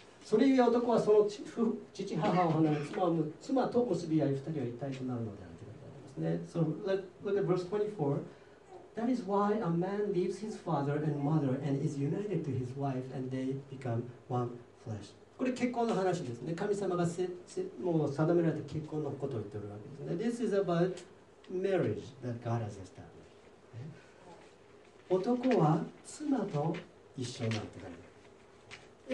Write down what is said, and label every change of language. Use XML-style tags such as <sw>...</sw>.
<ja>それゆえ男はその父母を離れ妻と結び合い二人は一体となるのであるということですね。</ja> <en>So look at verse 24. That is why a man leaves his father and mother and is united to his wife and they become one flesh.</en> <ja>これ結婚の話ですね。神様がもう定められた結婚のことを言っているわけですね。</ja> <en>This is aboutMarriage that God has established.</en> <ja>男は妻と一緒になってくる。</ja>